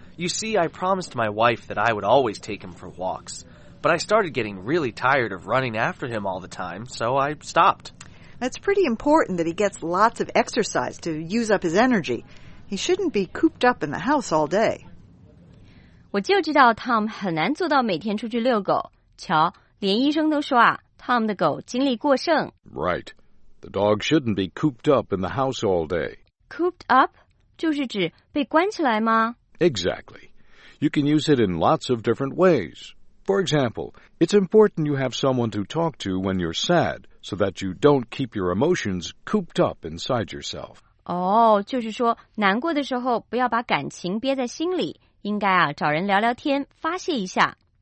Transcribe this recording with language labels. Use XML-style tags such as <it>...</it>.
<en>You see, I promised my wife that I would always take him for walks. But I started getting really tired of running after him all the time, so I stopped. It's pretty important that he gets lots of exercise to use up his energy. He shouldn't be cooped up in the house all day.</en> <zh>我就知道 Tom 很难做到每天出去遛狗。瞧，连医生都说啊。Tom 的狗精力过剩。</zh> <en>Right. The dog shouldn't be cooped up in the house all day.</en> <zh>Cooped up? 就是指被关起来吗?</zh> <en>Exactly. You can use it in lots of different ways. For example, it's important you have someone to talk to when you're sad so that you don't keep your emotions cooped up inside yourself.</en> <zh>哦、就是说难过的时候不要把感情憋在心里。应该啊找人聊聊天发泄一下。</zh>